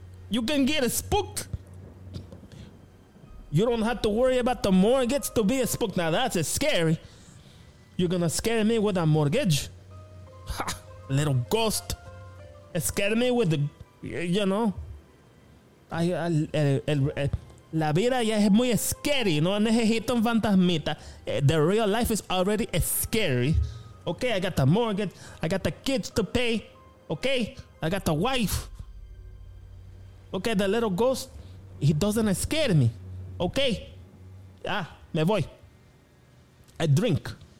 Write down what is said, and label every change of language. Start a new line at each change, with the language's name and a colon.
English: You can get spooked. You don't have to worry about the mortgage to be spooked. Now, that's scary. You're going to scare me with a mortgage? Ha, little ghost, scare me with the, you know.
Spanish: La vida ya es muy scary, no necesito un fantasmita.
English: The real life is already scary. Okay, I got the mortgage, I got the kids to pay. Okay, I got the wife. Okay, the little ghost, he doesn't scare me. Okay, ah,
Spanish: me voy.
English: I drink.